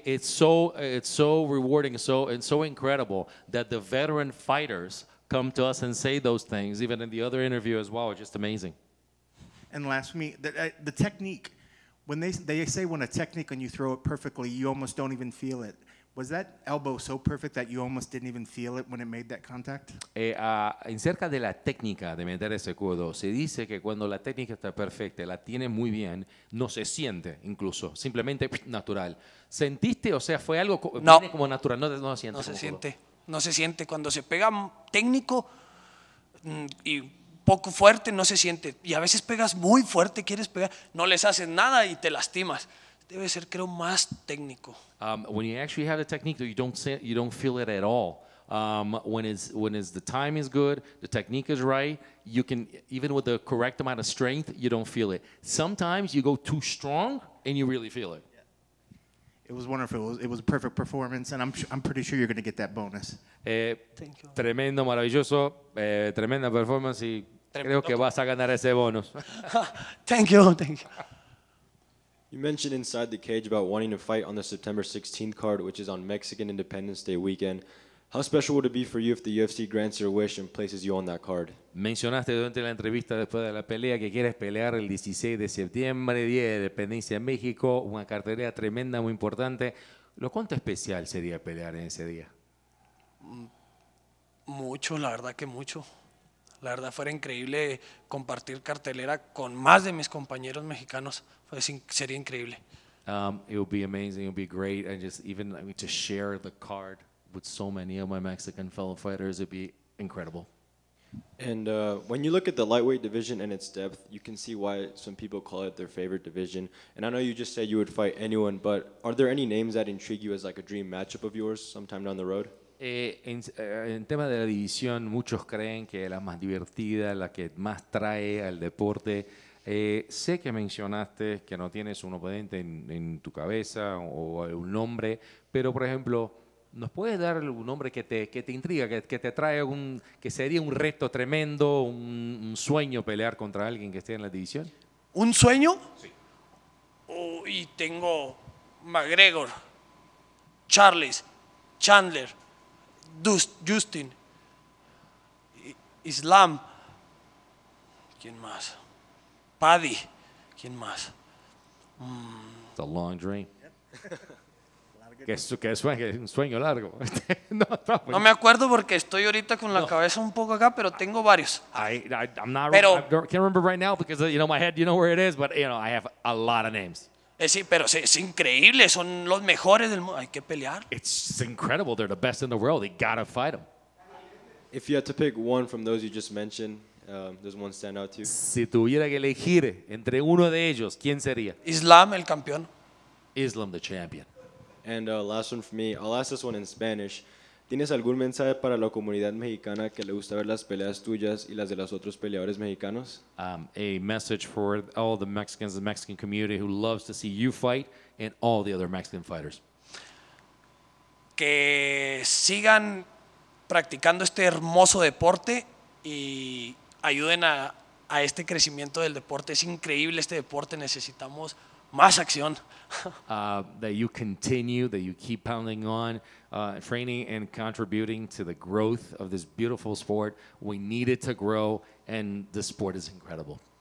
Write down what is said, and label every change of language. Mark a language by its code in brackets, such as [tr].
[en] It's so rewarding, so and so incredible that the veteran fighters come to us and say those things, even in the other interview as well. It's just amazing. And last for me, the technique. When they say when a technique and you throw it perfectly, you almost don't even feel it. Was that elbow so perfect that you almost didn't even feel it when it made that contact? [es] En cerca de la técnica de meter ese codo, se dice que cuando la técnica está perfecta, la tiene muy bien, no se siente incluso, simplemente natural. ¿Sentiste? O sea, fue algo no. Viene como natural, no, no, siente no se siente. No se siente. Cuando se pega técnico y poco fuerte, no se siente. Y a veces pegas muy fuerte, quieres pegar, no les haces nada y te lastimas. Debe ser, creo, más técnico. [en] When you actually have the technique, you don't feel it at all. When the time is good, the technique is right, you can, even with the correct amount of strength, you don't feel it. Sometimes you go too strong and you really feel it. It was wonderful. It was a perfect performance, and I'm pretty sure you're going to get that bonus. Thank you. [es] Tremendo, maravilloso. Tremenda performance, y creo que vas a ganar ese bonus. [en] Thank you. You mentioned inside the cage about wanting to fight on the September 16th card, which is on Mexican Independence Day weekend. How special would it be for you if the UFC grants your wish and places you on that card? [es] Mencionaste durante la entrevista después de la pelea que quieres pelear el 16 de septiembre, Día de Independencia en México, una cartelera tremenda, muy importante. ¿Lo cuánto especial sería pelear en ese día? Mucho, la verdad que mucho. La verdad, fuera increíble compartir cartelera con más de mis compañeros mexicanos. Sería increíble. [en] It would be amazing. It would be great. And just even, I mean, to share the card with so many of my Mexican fellow fighters, it would be incredible. And when you look at the lightweight division and its depth, you can see why some people call it their favorite division. And I know you just said you would fight anyone, but are there any names that intrigue you as like a dream matchup of yours sometime down the road? [es] En tema de la división, muchos creen que es la más divertida, la que más trae al deporte. Sé que mencionaste que no tienes un oponente en tu cabeza o un nombre, pero por ejemplo, ¿nos puedes dar un nombre que te intriga, que te trae algún, que sería un reto tremendo, un sueño pelear contra alguien que esté en la división? ¿Un sueño? Sí. Y tengo McGregor, Charles, Chandler, Justin, Islam, ¿quién más? Paddy, ¿quién más? [en] It's a long dream. [es] Que es un sueño largo. No me acuerdo porque estoy ahorita con la cabeza un poco acá, pero tengo varios. [en] Can't remember right now because you know my head, you know where it is, but you know I have a lot of names. [es] Sí, pero es increíble, son los mejores del mundo. Hay que pelear. [en] It's incredible, they're the best in the world. They gotta fight them. If you had to pick one from those you just mentioned, does one stand out to you? [es] Si tuviera que elegir entre uno de ellos, ¿quién sería? Islam, el campeón. [en] Islam, the champion. And last one for me. I'll ask this one in Spanish. [es] ¿Tienes algún mensaje para la comunidad mexicana que le gusta ver las peleas tuyas y las de los otros peleadores mexicanos? [en] A message for all the Mexicans, the Mexican community who loves to see you fight and all the other Mexican fighters. [es] Que sigan practicando este hermoso deporte y ayuden a este crecimiento del deporte. Es increíble este deporte. Necesitamos más acción. [en] That you continue, that you keep pounding on, training and contributing to the growth of this beautiful sport. We need it to grow, and the sport is incredible.